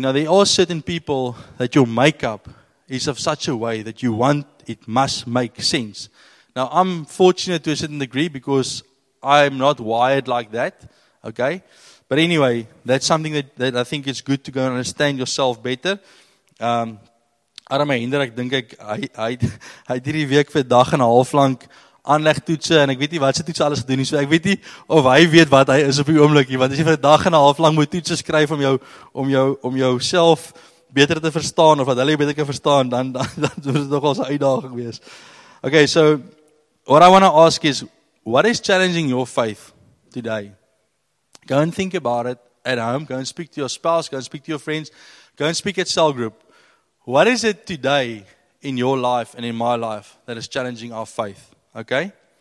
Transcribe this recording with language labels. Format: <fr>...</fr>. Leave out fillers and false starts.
<en>Now there are certain people that your makeup is of such a way that you want it must make sense. Now I'm fortunate to a certain degree because I'm not wired like that, okay? But anyway, that's something that I think it's good to go and understand yourself better.</en> <af>Arme Hinder, ek dink ek hy het hierdie week vir dag en 'n half lank aanlegtoetse en ek weet nie wat se toetse alles gedoen nie, so ek weet nie of hy weet wat hy is op die oomblik nie, want as jy vir dag en 'n half lank moet toetse skryf om jouself beter te verstaan of wat hulle beter kan verstaan, dan sou dit nogal 'n uitdaging wees.</af> <en>Okay, so what I want to ask is, what is challenging your faith today? Go and think about it at home, go and speak to your spouse, go and speak to your friends, go and speak at cell group. What is it today in your life and in my life that is challenging our faith? Okay?</en>